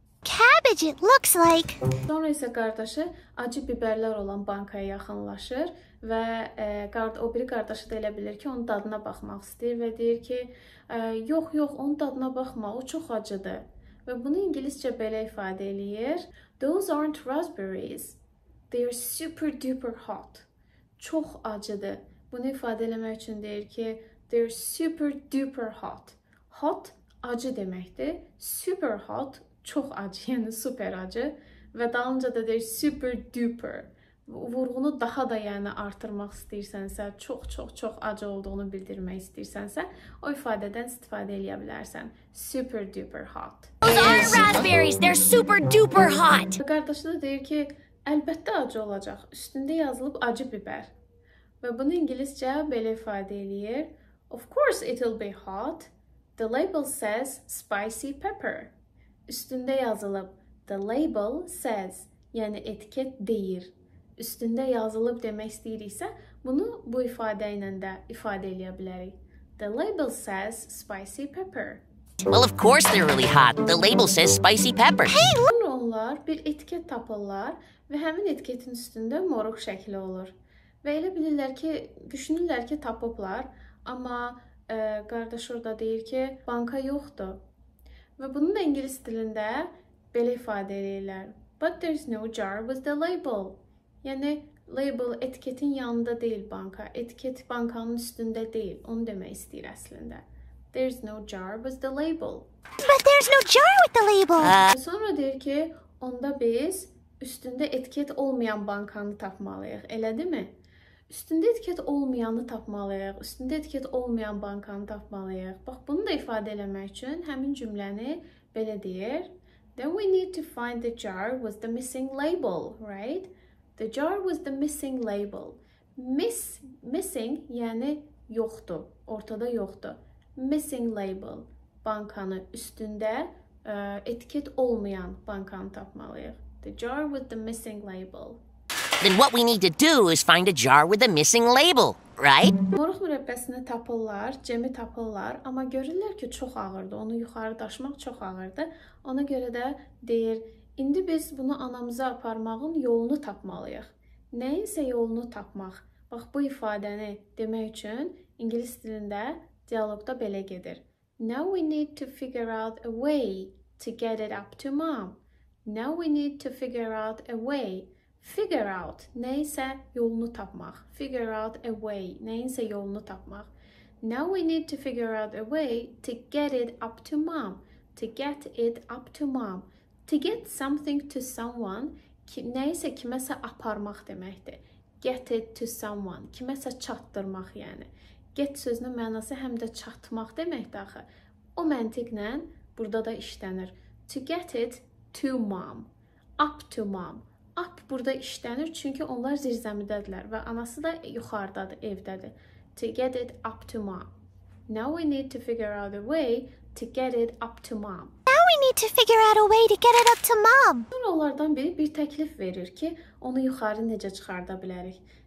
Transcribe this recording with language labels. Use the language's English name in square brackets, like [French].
[English] Cabbage it looks like. [Azerbaijani] Sonra isə qardaşı acı biberlər olan bankaya yaxınlaşır və o biri qardaşı da elə bilir ki, onun dadına baxmaq istəyir və deyir ki, yox, onun dadına baxma, o çox acıdır. Və bunu ingiliscə belə ifadə eləyir. [English] Those aren't raspberries. They are super duper hot. [Azerbaijani] Çox acıdır. Bunu ifadə eləmək üçün deyir ki, [English] they are super duper hot. [Azerbaijani] Hot acı deməkdir. Super hot çox acı, yəni super acı. Və dalınca da deyir super duper. Vurğunu daha da yəni artırmaq istəyirsənsə, çox acı olduğunu bildirmək istəyirsənsə, o ifadədən istifadə edə bilərsən. [English] Super duper hot. Those aren't raspberries, they're super duper hot. [Azerbaijani] Qardaşı da deyir ki, əlbəttə acı olacaq. Üstündə yazılıb acı bibər. Və bunu ingiliscə belə ifadə edir. [English] Of course it'll be hot. The label says spicy pepper. [Azerbaijani] Üstündə yazılıb [English] the label says, [Azerbaijani] yəni etiket deyir. Üstündə yazılıb demək istəyiriksə, bunu bu ifadə ilə də ifadə edə bilərik. [English] The label says spicy pepper. Well, of course they're really hot. The label says spicy pepper. Hey, look! [Azerbaijani] Onlar bir etiket tapırlar və həmin etiketin üstündə moruq şəkli olur. Və elə bilirlər ki, düşünürlər ki, tapıblar, amma qardaş orada deyir ki, banka yoxdur. Və bunu da ingilis dilində belə ifadə edirlər. [English] But there's no jar with the label. [Azerbaijani] Yəni, label etiketin yanında deyil banka. Etiket bankanın üstündə deyil. Onu demək istəyir əslində. [English] There's no jar with the label. But there's no jar with the label. [Azerbaijani] Sonra deyir ki, onda biz üstündə etiket olmayan bankanı tapmalıyıq. Elədimi? Üstündə etiket olmayanı tapmalıyıq. Üstündə etiket olmayan bankanı tapmalıyıq. Bax, bunu da ifadə eləmək üçün həmin cümləni belə deyir. [English] Then we need to find the jar with the missing label, right? The jar with the missing label. Missing, [Azerbaijani] yəni yoxdur, ortada yoxdur. [English] Missing label, [Azerbaijani] bankanı üstündə etiket olmayan bankanı tapmalıyıq. [English] The jar with the missing label. Then what we need to do is find a jar with a missing label, right? [Azerbaijani] Moruq mürəbbəsini tapırlar, cemi tapırlar, amma görürlər ki, çox ağırdı, onu yuxarı daşımaq çox ağırdı. Ona görə də deyir, indi biz bunu anamıza aparmağın yolunu tapmalıyıq. Nəyinsə yolunu tapmaq. Bax, bu ifadəni demək üçün ingilis dilində dialogda belə gedir. [English] Now we need to figure out a way to get it up to mom. Now we need to figure out a way. Figure out, [Azerbaijani] nəyinsə yolunu tapmaq. [English] Figure out a way, [Azerbaijani] nəyinsə yolunu tapmaq. [English] Now we need to figure out a way to get it up to mom. To get it up to mom. To get something to someone, [Azerbaijani] nəyinsə kiməsə aparmaq deməkdir. [English] Get it to someone, [Azerbaijani] kiməsə çatdırmaq yəni. Get sözünün mənası həm də çatmaq deməkdir axı. O məntiqlə burada da işlənir. [English] To get it to mom, up to mom. [Azerbaijani] Up burada işlənir, çünki onlar zirzəmidədirlər və anası da yuxarıdadır, evdədir. [English] To get it up to mom. Now we need to figure out a way to get it up to mom. Now we need to figure out a way to get it up to mom. [Azerbaijani] Sonra onlardan biri bir təklif verir ki, onu yuxarı necə çıxarda bilərik.